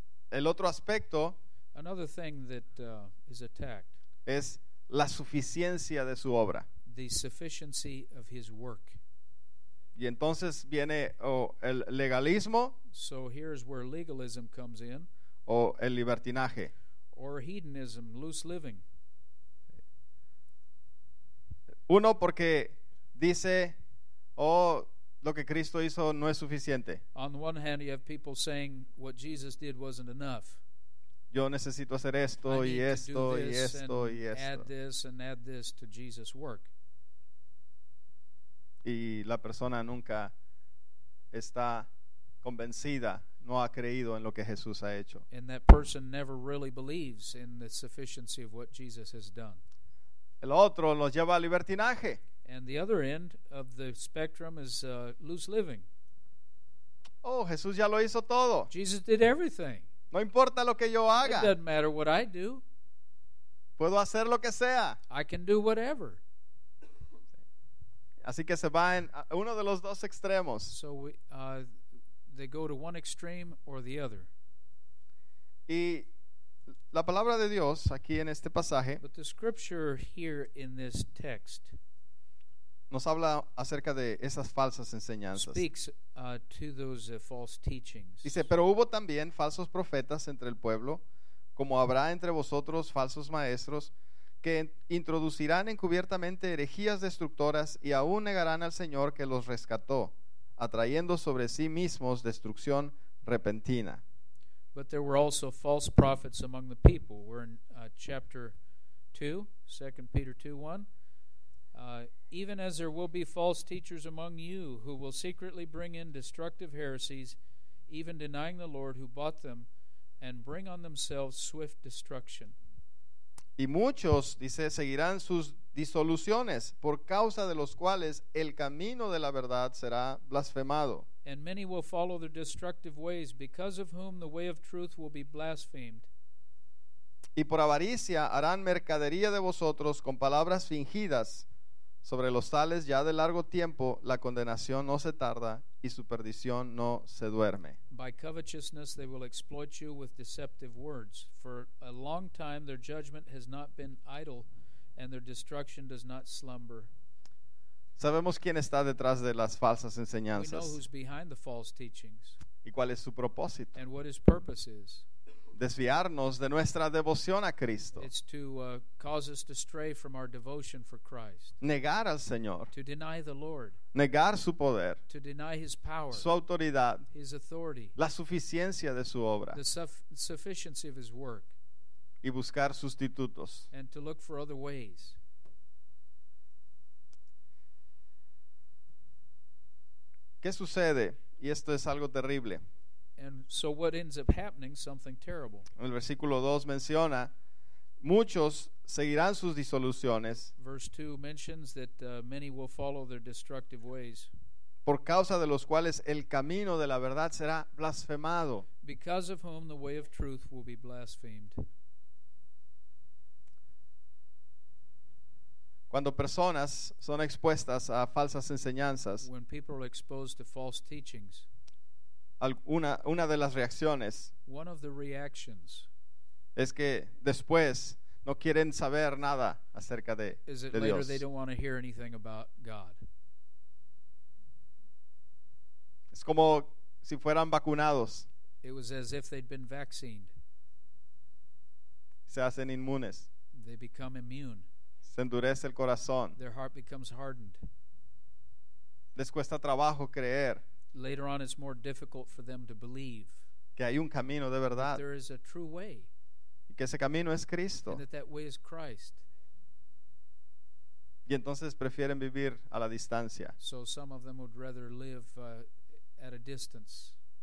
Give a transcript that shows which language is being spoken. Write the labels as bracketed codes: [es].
[es] El otro aspecto, [en] another thing that is attacked, [es] es la suficiencia de su obra. [en] The sufficiency of his work. [es] Y entonces viene el legalismo, [en] so here's where legalism comes in, [es] o el libertinaje, [en] or hedonism, loose living. [es] Uno porque dice, lo que Cristo hizo no es suficiente. [en] On the one hand, you have people saying what Jesus did wasn't enough. [es] Yo necesito hacer esto y esto y esto y esto. [en] Add this and add this to Jesus' work. [es] Y la persona nunca está convencida, no ha creído en lo que Jesús ha hecho. [en] And that person never really believes in the sufficiency of what Jesus has done. [es] El otro nos lleva al libertinaje. [en] And the other end of the spectrum is loose living. [es] Oh, Jesús ya lo hizo todo. [en] Jesus did everything. [es] No importa lo que yo haga. [en] It doesn't matter what I do. [es] Puedo hacer lo que sea. [en] I can do whatever. [es] Así que se va en uno de los dos extremos. [en] So they go to one extreme or the other. [es] Y la palabra de Dios aquí en este pasaje. [en] But the scripture here in this text. [es] Nos habla acerca de esas falsas enseñanzas. [en] Speaks to those false teachings. [es] Dice, pero hubo también falsos profetas entre el pueblo, como habrá entre vosotros falsos maestros, que introducirán encubiertamente herejías destructoras y aún negarán al Señor que los rescató, atrayendo sobre sí mismos destrucción repentina. [en] But there were also false prophets among the people. We're in chapter 2, 2 Peter 2, 1. Even as there will be false teachers among you who will secretly bring in destructive heresies, even denying the Lord who bought them, and bring on themselves swift destruction. [es] Y muchos, dice, seguirán sus disoluciones, por causa de los cuales el camino de la verdad será blasfemado. [en] And many will follow their destructive ways, because of whom the way of truth will be blasphemed. [es] Y por avaricia harán mercadería de vosotros con palabras fingidas, Sobre los tales ya de largo tiempo la condenación no se tarda y su perdición no se duerme. [en] By covetousness they will exploit you with deceptive words. For a long time their judgment has not been idle and their destruction does not slumber. [es] Sabemos quién está detrás de las falsas enseñanzas. [en] We know who's behind the false teachings. [es] ¿Y cuál es su propósito? [en] And what his purpose is. [es] Desviarnos de nuestra devoción a Cristo. [en] It's to cause us to stray from our devotion for Christ. [es] Negar al Señor. [en] To deny the Lord. [es] Negar su poder. [en] To deny his power. [es] Su autoridad. [en] His authority. [es] La suficiencia de su obra. [en] The sufficiency of his work. [es] Y buscar sustitutos. [en] And to look for other ways. [es] ¿Qué sucede? Y esto es algo terrible. [en] And so what ends up happening, something terrible. [es] El versículo 2 menciona, muchos seguirán sus disoluciones. [en] Verse 2 mentions that many will follow their destructive ways. [es] Por causa de los cuales el camino de la verdad será blasfemado. [en] Because of whom the way of truth will be blasphemed. [es] Cuando personas son expuestas a falsas enseñanzas. [en] When people are exposed to false teachings. [es] Una de las reacciones [en] One of the reactions [es] es que después no quieren saber nada acerca de, [en] is it [es] de [en] later [es] Dios. [en] They don't want to hear anything about God. [es] Es como si fueran vacunados. [en] It was as if they'd been vaccinated. [es] Se hacen inmunes. [en] They become immune. [es] Se endurece el corazón. [en] Their heart becomes hardened. [es] Les cuesta trabajo creer. [en] Later on, it's more difficult for them to believe [es] que hay un camino de verdad. [en] That there is a true way. [es] Y que ese camino es Cristo. [en] And that way is Christ. [es] Y entonces prefieren vivir a la distancia. [en] So some of them would rather live at a distance.